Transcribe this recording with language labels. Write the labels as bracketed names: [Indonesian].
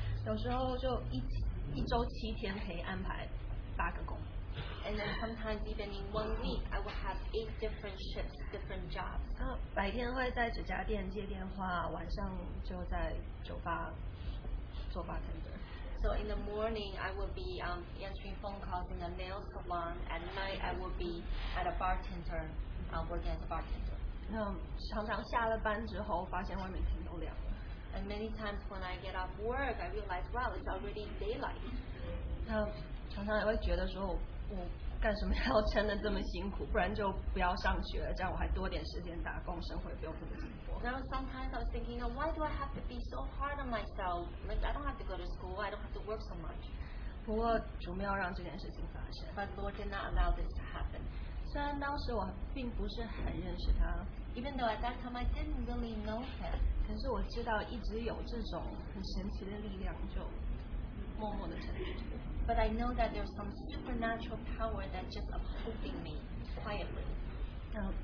[Chinese] 有时候就一周7天可以安排。 [English] And then sometimes even in 1 week, I will have 8 different shifts, different jobs. [Chinese] 白天会在指甲店接电话，晚上就在酒吧做 bartender. [English] So in the morning, I will be answering phone calls in the nail salon. At night, I will be at a bartender, working as a bartender. [Chinese] 常常下了班之后，发现外面天都亮了。 [English] And many times when I get off work, I realize, wow, it's already daylight. [Chinese] 常常也会觉得说，我刚干什么要撑得这么辛苦, 不然就不要上学, 这样我还多点时间打工, [English] Now sometimes I was thinking, why do I have to be so hard on myself? Like, I don't have to go to school, I don't have to work so much. [Chinese] 不过主没有让这件事情发生, [English] but Lord did not allow this to happen. [Chinese] 虽然当时我并不是很认识他, [English] Even though at that time I didn't really know him, [Chinese] 可是我知道一直有这种很神奇的力量就默默地成立着。 [English] But I know that there's some supernatural power that's just upholding me quietly.